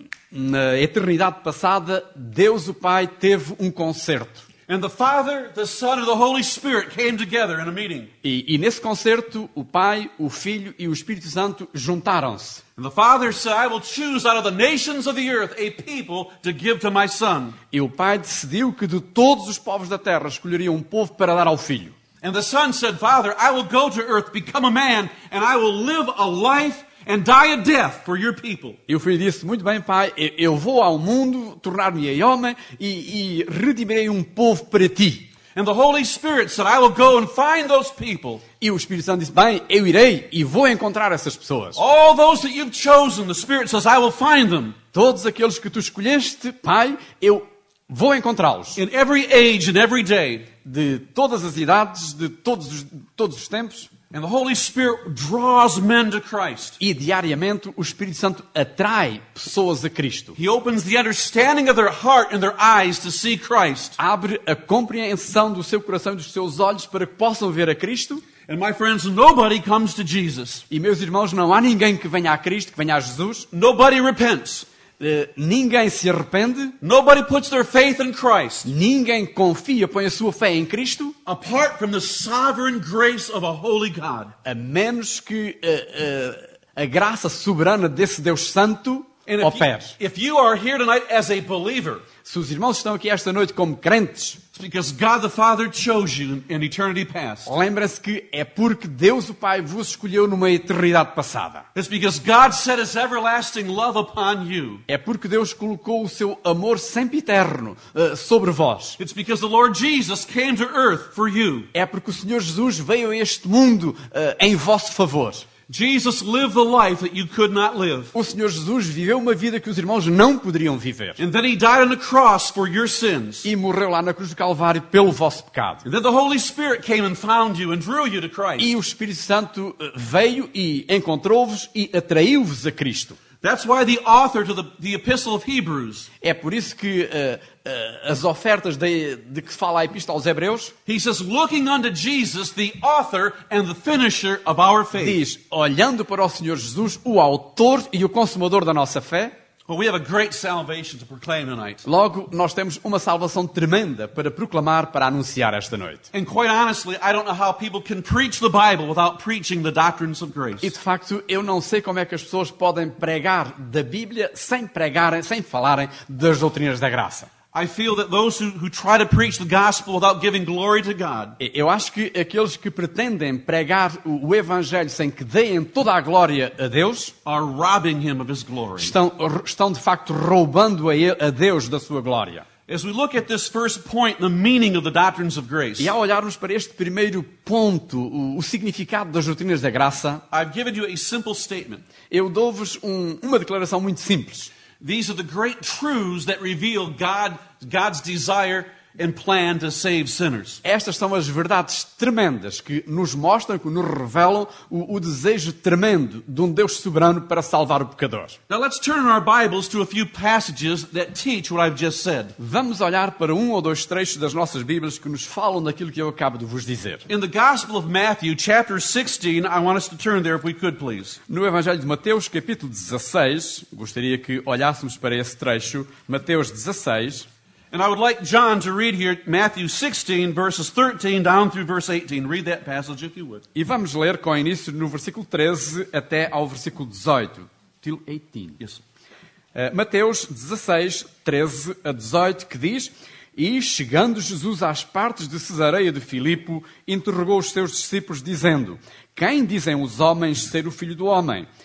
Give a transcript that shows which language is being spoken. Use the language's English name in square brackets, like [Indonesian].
[Portuguese] Na eternidade passada, Deus o Pai teve um concerto. [English] And the Father, the Son, and the Holy Spirit came together in a meeting. [Portuguese] E nesse concerto, o Pai, o Filho e o Espírito Santo juntaram-se. [English] And the Father said, "I will choose out of the nations of the earth a people to give to my Son." [Portuguese] E o Pai decidiu que de todos os povos da terra escolheria um povo para dar ao Filho. [English] And the Son said, "Father, I will go to earth, become a man, and I will live a life and die a death for your people. [Portuguese] E o filho disse, muito bem, pai, eu vou ao mundo, tornar-me-ei homem e redimirei um povo para ti. [English] And the Holy Spirit said, I will go and find those people. [Portuguese] E o Espírito Santo disse, bem, eu irei e vou encontrar essas pessoas. [English] All those that you've chosen, the Spirit says, I will find them. [Portuguese] Todos aqueles que tu escolheste, pai, eu vou encontrá-los. [English] In every age and every day. [Portuguese] De todas as idades, de todos os tempos. [English] And the Holy Spirit draws men to Christ. [Portuguese] E diariamente o Espírito Santo atrai pessoas a Cristo. [English] He opens the understanding of their heart and their eyes to see Christ. [Portuguese] Abre a compreensão do seu coração e dos seus olhos para que possam ver a Cristo. [English] And my friends, nobody comes to Jesus. [Portuguese] E meus irmãos, não há ninguém que venha a Cristo, que venha a Jesus. [English] Nobody repents. [Portuguese] Ninguém se arrepende. [English] Nobody puts their faith in Christ. [Portuguese] Ninguém confia, põe a sua fé em Cristo. [English] Apart from the sovereign grace of a holy God. [Portuguese] A menos que a graça soberana desse Deus Santo opere. [English] If you are here tonight as a believer, [Portuguese] se os irmãos estão aqui esta noite como crentes, [English] it's because God the Father chose you in eternity past. [Portuguese] Lembre-se que é porque Deus o Pai vos escolheu numa eternidade passada. [English] It's because God set His everlasting love upon you. [Portuguese] É porque Deus colocou o seu amor sempiterno sobre vós. [English] It's because the Lord Jesus came to earth for you. [Portuguese] É porque o Senhor Jesus veio a este mundo em vosso favor. [English] Jesus lived a life that you could not live. [Portuguese] O Senhor Jesus viveu uma vida que os irmãos não poderiam viver. [English] And then he died on the cross for your sins. [Portuguese] E morreu lá na cruz do Calvário pelo vosso pecado. [English] And then the Holy Spirit came and found you and drew you to Christ. [Portuguese] E o Espírito Santo veio e encontrou-vos e atraiu-vos a Cristo. [English] That's why the author to the epistle of Hebrews. [Portuguese] É por isso que as ofertas de que fala a epístola aos Hebreus. [English] He says, looking unto Jesus, the author and the finisher of our faith. [Portuguese] Diz, olhando para o Senhor Jesus, o autor e o consumador da nossa fé. [English] Well, we have a great salvation to proclaim tonight. [Portuguese] Logo, nós temos uma salvação tremenda para proclamar, para anunciar esta noite. [English] And quite honestly, I don't know how people can preach the Bible without preaching the doctrines of grace. [Portuguese] E de facto, eu não sei como é que as pessoas podem pregar da Bíblia sem pregarem, sem falarem das doutrinas da graça. [English] I feel that those who try to preach the gospel without giving glory to God. [Portuguese] Eu acho que aqueles que pretendem pregar o evangelho sem que deem toda a glória a Deus [English] are robbing him of his glory. [Portuguese] Estão de facto roubando a Deus da sua glória. [English] As we look at this first point, the meaning of the doctrines of grace. [Portuguese] E ao olharmos para este primeiro ponto, o significado das doutrinas da graça, [English] I've given you a simple statement. [Portuguese] Eu dou-vos uma declaração muito simples. [English] These are the great truths that reveal God's desire and plan to save sinners. [Portuguese] Estas são as verdades tremendas que nos mostram, que nos revelam o desejo tremendo de um Deus soberano para salvar o pecador. [English] Now let's turn our Bibles to a few passages that teach what I've just said. [Portuguese] Vamos olhar para um ou dois trechos das nossas Bíblias que nos falam daquilo que eu acabo de vos dizer. [English] In the Gospel of Matthew, chapter 16, I want us to turn there if we could, please. [Portuguese] No Evangelho de Mateus, capítulo 16, gostaria que olhássemos para esse trecho, Mateus 16. [English] And I would like John to read here Matthew 16, verses 13 down through verse 18. Read that passage if you would. [Portuguese] E vamos ler com início no versículo 13 até ao versículo 18. [English] Till 18. Yes. [Portuguese] Mateus 16, 13 a 18, que diz: E chegando Jesus às partes de Cesareia de Filipo, interrogou os seus discípulos, dizendo: Quem dizem os homens ser o filho do homem?